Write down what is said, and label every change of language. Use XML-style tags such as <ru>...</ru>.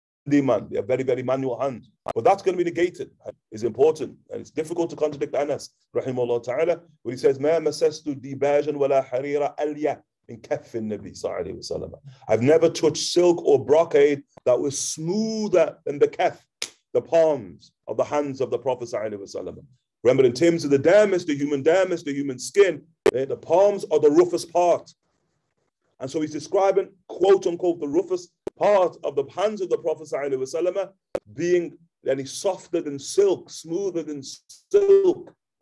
<en>Someone handyman, they have very, very manual hands. But that's going to be negated. It's important. And it's difficult to contradict Anas, rahimahullah ta'ala, when he says,</en> <ar>مَا مَسَسْتُ دِبَاجًا وَلَا حَرِيرًا أَلْيَا مِنْ كَفِّ النَّبِي صَلَّى اللَّهُ عَلَيْهِ وَسَلَّمَ.</ar> <en>I've never touched silk or brocade that was smoother than the kef, the palms of the hands of the Prophet صلى الله عليه وسلم. Remember, in terms of the dermis, the human skin, The palms are the roughest part. And so he's describing, quote unquote, the roughest part of the hands of the Prophet being any softer than silk, smoother than silk.</en>